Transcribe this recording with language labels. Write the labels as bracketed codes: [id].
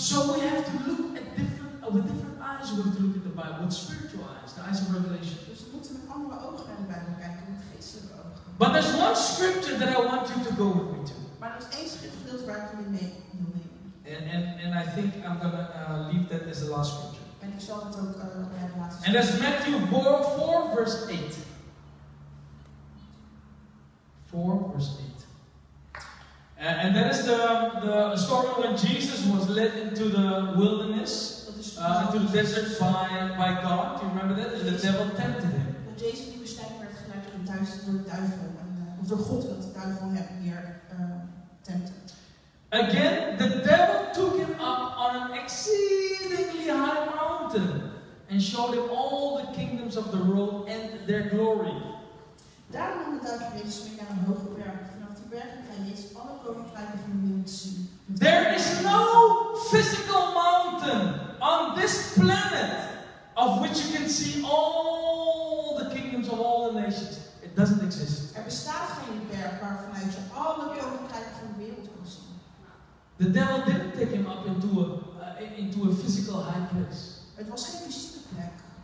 [en] So we have to look at with different eyes. We have to look at the Bible with spiritual eyes, the eyes of revelation. [nl] Dus we moeten met andere ogen naar de Bijbel kijken, met geestelijke ogen. [en] But there's one scripture that I want you to go with me to. [nl] Maar er is één schriftgedeelte waar ik jullie mee wil nemen. [en] And I think I'm gonna leave that as the last scripture. [nl] En ik zal het ook laten. [en] And that's Matthew 4, 4, verse 8. 4, verse 8. And that is the story when Jesus was led into the wilderness, into the desert by God. Do you remember that? The devil tempted him. [nl] Dat Jezus die bestemd werd geleid door de duivel. Of door God, dat de duivel hem weer tempte. [en] Again, the devil took him up on an exceedingly high mountain and showed him all the kingdoms of the world and their glory. [nl] Daarom noemde duivel Jezus mee naar een hoger berg. Vanaf die berg kan Jezus alle koninkrijken van de wereld zien. [en] There is no physical mountain on this planet of which you can see all the kingdoms of all the nations. It doesn't exist. [nl] Er bestaat geen berg waarvan je alle koninkrijken van de wereld kan zien. [en] The devil didn't take him up into a physical high place. [nl] Het was geen fysieke plek.